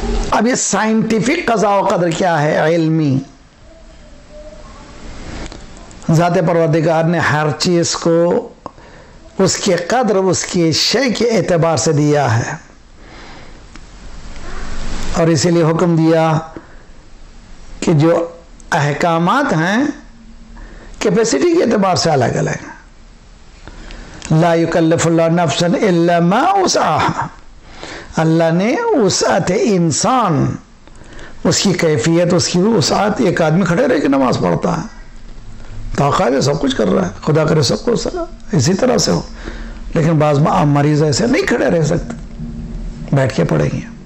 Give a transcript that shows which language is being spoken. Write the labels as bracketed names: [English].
[Urdu] اب یہ سائنٹیفک قضاء و قدر کیا ہے, علمی, ذات پروردگار نے ہر چیز کو اس کے قدر, اس کے شے کے اعتبار سے دیا ہے, اور اسی لیے حکم دیا کہ جو احکامات ہیں کیپیسٹی کے اعتبار سے الگ الگ ہیں. [Arabic] لا يكلف الله نفسا الا ما وسعها. [Urdu] اللہ نے وسعت انسان اس کی کیفیت اس کی وسعت, ایک آدمی کھڑے رہے کہ نماز پڑھتا ہے تو قائد سب کچھ کر رہا ہے, خدا کرے سب کو اسی طرح سے ہو, لیکن بعض مریض ایسے نہیں کھڑے رہ سکتے, بیٹھ کے پڑھیں گے.